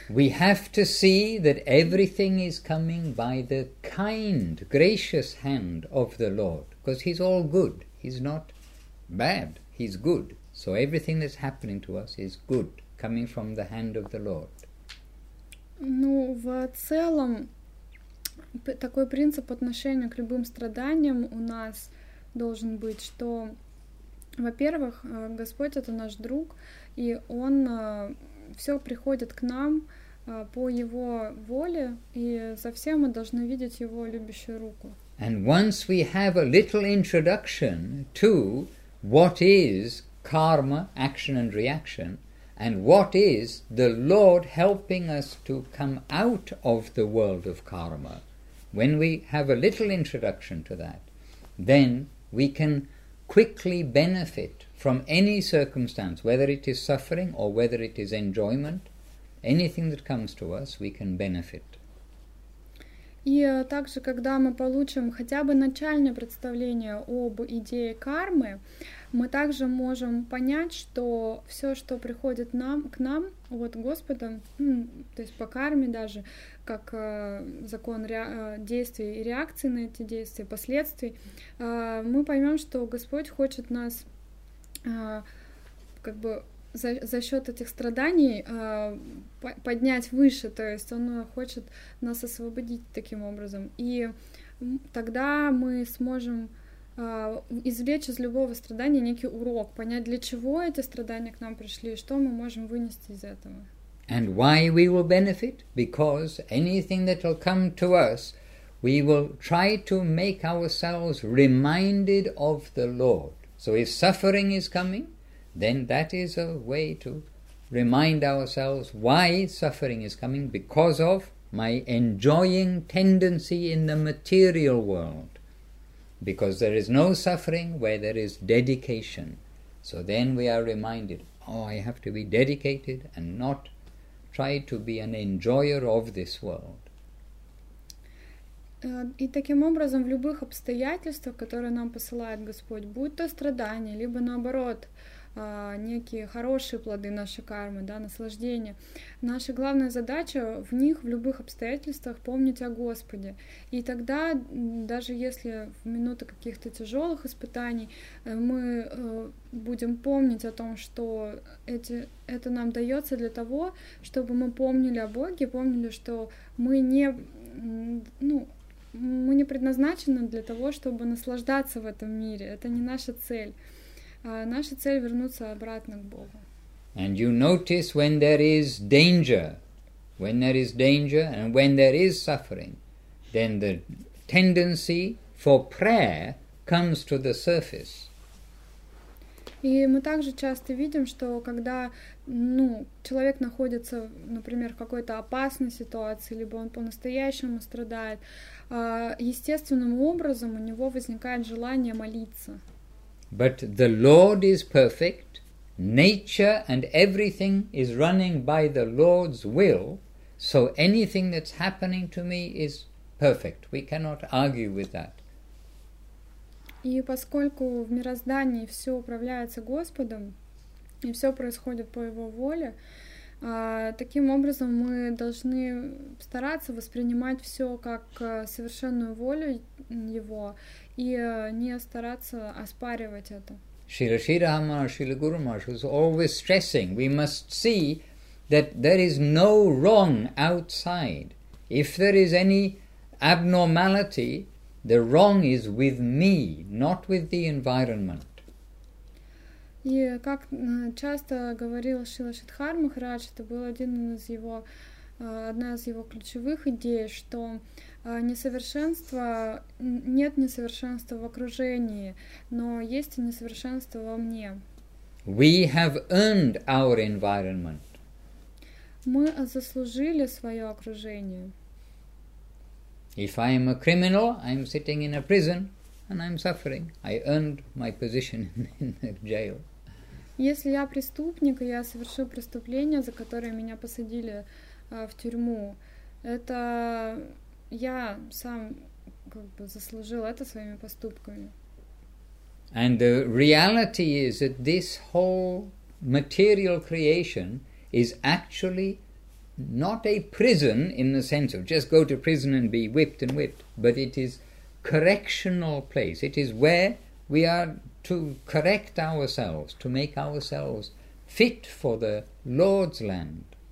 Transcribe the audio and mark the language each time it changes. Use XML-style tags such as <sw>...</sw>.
<en>We have to see that everything is coming by the kind, gracious hand of the Lord, because He's all good. He's not bad. He's good. So everything that's happening to us is good, coming from the hand of the Lord.</en> <ru>Ну, в целом, такой принцип отношения к любым страданиям у нас должен быть, что, во-первых, Господь — это наш друг, и Он все приходит к нам по Его воле, и за всем мы должны видеть Его любящую руку.</ru> <en>And once we have a little introduction to what is karma, action and reaction, and what is the Lord helping us to come out of the world of karma, when we have a little introduction to that, then we can quickly benefit from any circumstance, whether it is suffering or whether it is enjoyment, anything that comes to us, we can benefit.</en> <ru>И также, когда мы получим хотя бы начальное представление об идее кармы, мы также можем понять, что все, что приходит нам, к нам от Господа, то есть по карме даже, как закон действий и реакции на эти действия, последствий, мы поймем, что Господь хочет нас как бы за счет этих страданий поднять выше, то есть Он хочет нас освободить таким образом. И тогда мы сможем извлечь из любого страдания некий урок, понять, для чего эти страдания к нам пришли, что мы можем вынести из этого.</ru> <en>And why we will benefit? Because anything that will come to us, we will try to make ourselves reminded of the Lord. So if suffering is coming, then that is a way to remind ourselves why suffering is coming, because of my enjoying tendency in the material world. Because there is no suffering where there is dedication. So then we are reminded, oh, I have to be dedicated and not try to be an enjoyer of this world.</en> <ru>И таким образом, в любых обстоятельствах, которые нам посылает Господь, будь то страдания, либо наоборот, некие хорошие плоды нашей кармы, да, наслаждения. Наша главная задача в них, в любых обстоятельствах, помнить о Господе. И тогда, даже если в минуты каких-то тяжелых испытаний, мы будем помнить о том, что это нам дается для того, чтобы мы помнили о Боге, помнили, что мы не предназначены для того, чтобы наслаждаться в этом мире. Это не наша цель. Наша цель — вернуться обратно к Богу.</ru> <en>And you notice when there is danger, and when there is suffering, then the tendency for prayer comes to the surface.</en> <ru>И мы также часто видим, что когда, человек находится, например, в какой-то опасной ситуации, либо он по-настоящему страдает, естественным образом у него возникает желание молиться.</ru> <en>But the Lord is perfect, nature and everything is running by the Lord's will, so anything that's happening to me is perfect. We cannot argue with that.</en> <ru>И поскольку в мироздании все управляется Господом, и все происходит по Его воле, таким образом мы должны стараться воспринимать все как совершенную волю Его, и не стараться оспаривать это.</ru> <en>Шрила Шридхарма, Шрила Гуру Махарадж was always stressing, we must see that there is no wrong outside. If there is any abnormality, the wrong is with me, not with the environment.</en> <ru>И как часто говорил Шрила Шридхарма Махарадж, это был одна из его ключевых идей, что несовершенство, нет несовершенства в окружении, но есть несовершенство во мне.</ru> <en>We have earned our environment.</en> <ru>Мы заслужили свое окружение.</ru> <en>If I am a criminal, I am sitting in a prison and I am suffering. I earned my position in the jail.</en> <ru>Если я преступник, и я совершил преступление, за которое меня посадили в тюрьму, это я сам как бы заслужил это своими поступками.</ru> <en>And the reality is that this whole material creation is actually not a prison in the sense of just go to prison and be whipped and whipped, but it is correctional place. It is where we are to correct ourselves, to make ourselves fit for the Lord's land.</en>